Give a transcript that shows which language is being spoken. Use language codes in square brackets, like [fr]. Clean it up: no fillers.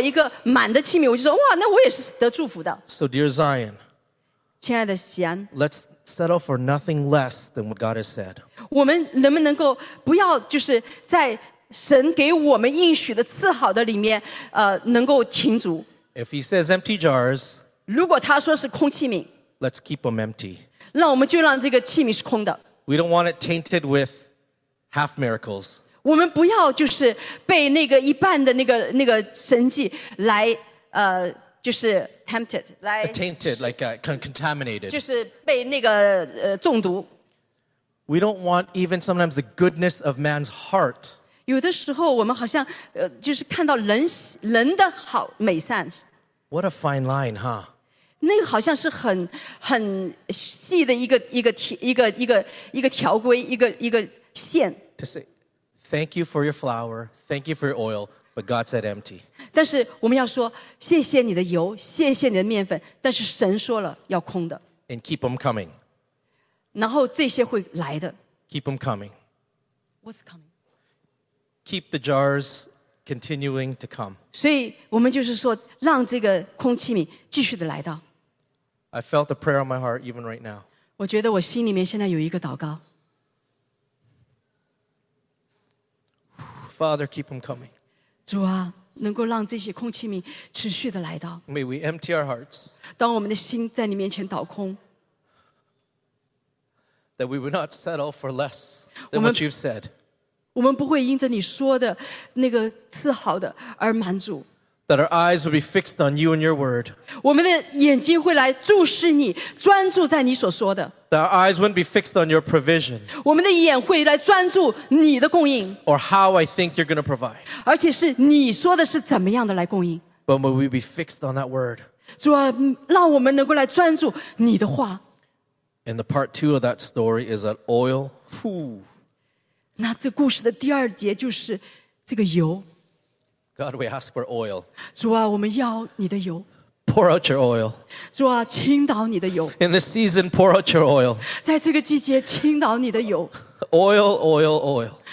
[zh] 所以对我来说，好像我有需要，然后神要我向那个邻居要这个器皿，那别人给我一个满的器皿，我就说哇，那我也是得祝福的。So [en] dear Zion, [zh] 亲爱的西安, [en] let's settle for nothing less than what God has said. [zh] 我们能不能够不要就是在神给我们应许的赐好的里面，能够停足。 [en] If he says empty jars, [zh] 如果他说是空器皿, [en] let's keep them empty. [zh] 那我们就让这个器皿是空的。 [en] We don't want it tainted with half miracles. [zh] 我们不要就是被那个一半的那个神迹来tainted, [en] like contaminated. [zh] 就是被那个中毒。 [en] We don't want even sometimes the goodness of man's heart. [zh] 有的时候我们好像就是看到人的好美善。 [en] What a fine line, huh? [zh] 那个好像是很细的一个条规，一个线。 [en] To say, thank you for your flour, thank you for your oil, but God said empty. [zh] 但是我们要说谢谢你的油，谢谢你的面粉，但是神说了要空的。 [en] And keep them coming. [zh] 然后这些会来的。 [en] Keep them coming. What's coming? Keep the jars. Continuing to come. [zh] 所以我们就是说让这个空器皿继续的来到。 [en] I felt a prayer on my heart even right now. [zh] 我觉得我心里面现在有一个祷告。 [en] Father, keep them coming. [zh] 主啊，能够让这些空器皿持续的来到。 [en] May we empty our hearts. [zh] 当我们的心在你面前倒空。 [en] That we would not settle for less than what you've said. [zh] 我们不会因着你说的那个赐好的而满足。 [en] That our eyes will be fixed on you and your word. [zh] 我们的眼睛会来注视你，专注在你所说的。 [en] That our eyes wouldn't be fixed on your provision. [zh] 我们的眼会来专注你的供应。 [en] Or how I think you're going to provide. [zh] 而且是你说的是怎么样的来供应。 [en] But will we be fixed on that word? [zh] 主啊，让我们能够来专注你的话。 [en] And the part two of that story is that oil. Whoo. [zh] 那这故事的第二节就是这个油。 [en] God, we ask for oil. [zh] 主啊，我们要你的油。 [en] Pour out your oil. [zh] 主啊，倾倒你的油。 [en] In this season, pour out your oil. [zh] 在这个季节，倾倒你的油。 [en] Oil, oil, oil.